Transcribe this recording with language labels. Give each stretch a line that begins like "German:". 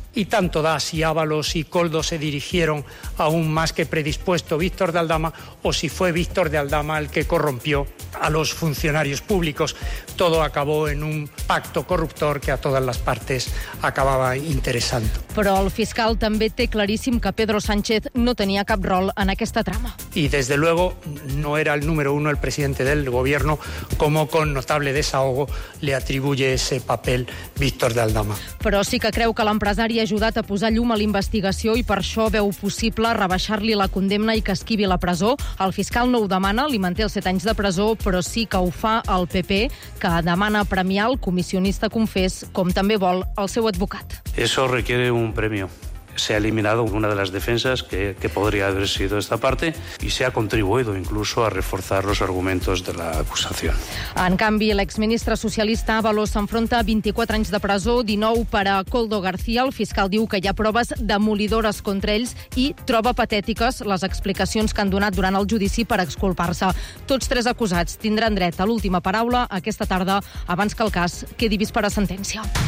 Spanish: Y tanto da si Ábalos y Koldo se dirigieron a un más que predispuesto Víctor de Aldama o si fue Víctor de Aldama el que corrompió a los funcionarios públicos. Todo acabó en un pacto corruptor que a todas las partes acababa interesando.
Catalan: Però el fiscal també té claríssim que Pedro Sánchez no tenia cap rol en aquesta trama.
Spanish: Y desde luego no era el número uno el presidente del gobierno, como con notable desahogo le atribuye ese papel Víctor de Aldama.
Catalan: Però sí que creu que l'empresari ha ajudat a posar llum a l'investigació i per això veu possible rebaixar-li la condemna i que esquivi la presó. El fiscal no ho demana, li manté els 7 anys de presó, però sí que ho fa el PP, que demana premiar el comissionista confés, com també vol el seu advocat.
Spanish: Eso requiere un premio. Se ha eliminado una de las defensas que podría haber sido esta parte y se ha contribuido incluso a reforzar los argumentos de la acusación.
Catalan: En canvi, l'exministre socialista Ábalos s'enfronta a 24 anys de presó, 19 per a Koldo García. El fiscal diu que hi ha proves demolidores contra ells i troba patètiques les explicacions que han donat durant el judici per exculpar-se. Tots tres acusats tindran dret a l'última paraula aquesta tarda abans que el cas quedi vist per a sentència.